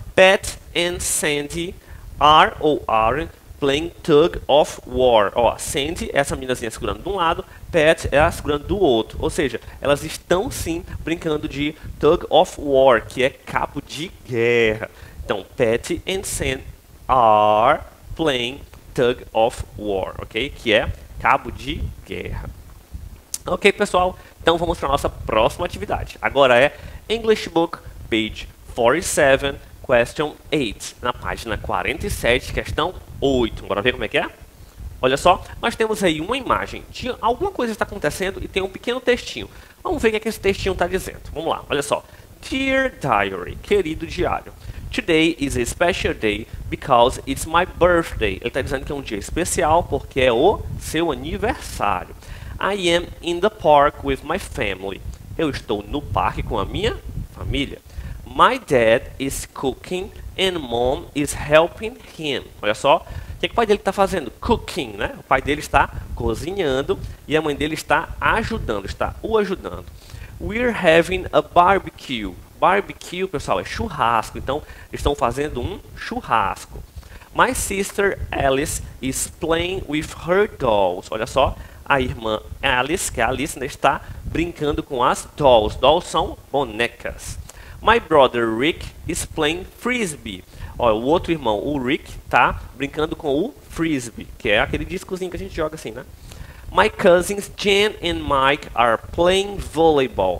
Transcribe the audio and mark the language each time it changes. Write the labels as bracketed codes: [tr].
[en] Pat and Sandy are ou aren't playing tug of war. [pt] Ó, Sandy é essa meninazinha segurando de um lado, Pat é segurando do outro. Ou seja, elas estão sim brincando de tug of war, que é cabo de guerra. [en] Então, Pat and Sandy are playing tug of war, ok? [pt] Que é cabo de guerra. Ok, pessoal, então vamos para a nossa próxima atividade. Agora é [en] English Book, page 47, question 8. [pt] Na página 47, questão 8. Bora ver como é que é? Olha só, nós temos aí uma imagem de alguma coisa que está acontecendo e tem um pequeno textinho. Vamos ver o que é que esse textinho está dizendo. Vamos lá, olha só. [en] Dear Diary, [pt] querido diário. [en] Today is a special day because it's my birthday. [pt] Ele está dizendo que é um dia especial porque é o seu aniversário. [en] I am in the park with my family. [pt] Eu estou no parque com a minha família. [en] My dad is cooking and mom is helping him. [pt] Olha só. O que é que o pai dele está fazendo? Cooking, né? O pai dele está cozinhando e a mãe dele está ajudando, está o ajudando. [en] We're having a barbecue. Barbecue, [pt] pessoal, é churrasco. Então, estão fazendo um churrasco. [en] My sister Alice is playing with her dolls. [pt] Olha só, a irmã Alice, que é a Alice, né, está brincando com as dolls. Dolls são bonecas. [en] My brother Rick is playing frisbee. [pt] Olha, o outro irmão, o Rick, está brincando com o frisbee, que é aquele discozinho que a gente joga assim, né? [en] My cousins Jen and Mike are playing volleyball.